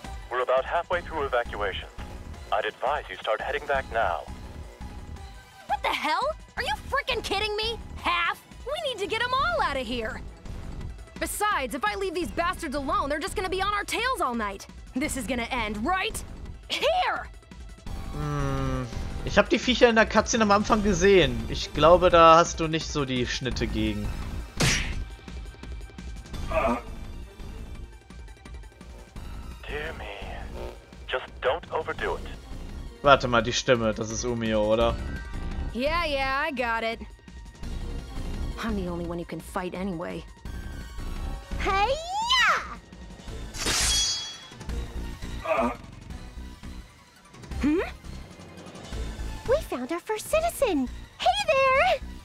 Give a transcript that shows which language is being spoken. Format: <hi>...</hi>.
<en>We're about halfway through evacuation. I'd advise you start heading back now. What the hell? Are you freaking kidding me? Half? We need to get them all out of here. Besides, if I leave these bastards alone, they're just gonna be on our tails all night. This is gonna end, right? Here!</en> <de>Ich habe die Viecher in der Cutscene am Anfang gesehen. Ich glaube, da hast du nicht so die Schnitte gegen.</de> <en>Dear me. Just don't overdo it.</en> <de>Warte mal, die Stimme, das ist Umio, oder?</de> <en>Yeah, yeah, I got it. I'm the only one who can fight anyway. Hey-ya! Hm? We found our first citizen! Hey there!</en>